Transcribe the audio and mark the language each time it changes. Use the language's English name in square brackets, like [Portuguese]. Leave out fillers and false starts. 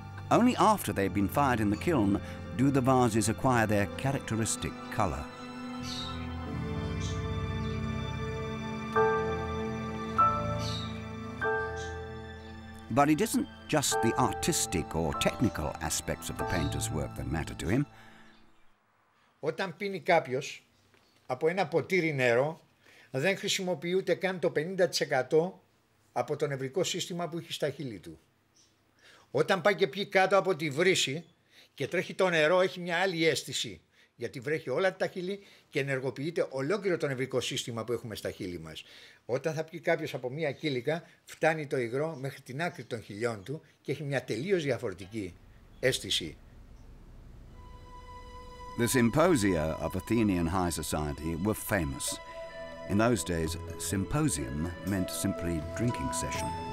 [English] Only after they've been fired in the kiln do the vases acquire their characteristic color. But it isn't just the artistic or technical aspects of the painter's work that matter to him. [Greek] Όταν πίνει κάποιος από ένα ποτήρι νερό, δεν χρησιμοποιεί ούτε καν το 50% από το νευρικό σύστημα που έχει στα χείλη του. Όταν πάει και πιει κάτω από τη βρύση και τρέχει το νερό, έχει μια άλλη αίσθηση, γιατί βρέχει όλα τα χείλη και ενεργοποιείται ολόκληρο το νευρικό σύστημα που έχουμε στα χείλη μας. Όταν θα πει κάποιος από μία κύλικα, φτάνει το υγρό μέχρι την άκρη των χιλιών του και έχει μια τελείως διαφορετική αίσθηση. [English] The symposia of Athenian high society were famous. In those days, symposium meant simply drinking session.